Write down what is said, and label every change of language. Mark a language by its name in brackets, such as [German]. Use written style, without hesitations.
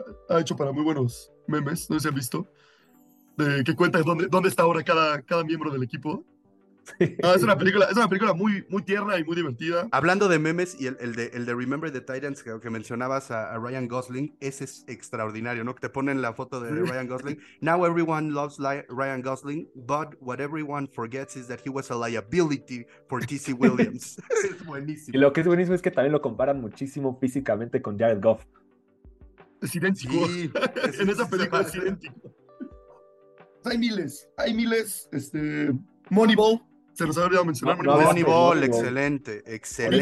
[Spanish] Ha hecho para muy buenos memes, no sé si han visto. Que cuenta dónde está ahora cada miembro del equipo. Sí. Ah, es una película muy, muy tierna y muy divertida. Hablando de memes y el de Remember the Titans que mencionabas a Ryan Gosling, ese es extraordinario, ¿no? Que te ponen la foto de Ryan Gosling. [English] Now everyone loves Ryan Gosling, but what everyone forgets is that he was a liability for T.C. [Spanish] Williams. Es buenísimo. Y lo que es buenísimo es que también lo comparan muchísimo físicamente con Jared Goff. Es idéntico. Sí, en esa película es idéntico. Hay miles, Moneyball, se los había olvidado mencionar. Moneyball, excelente, excelente.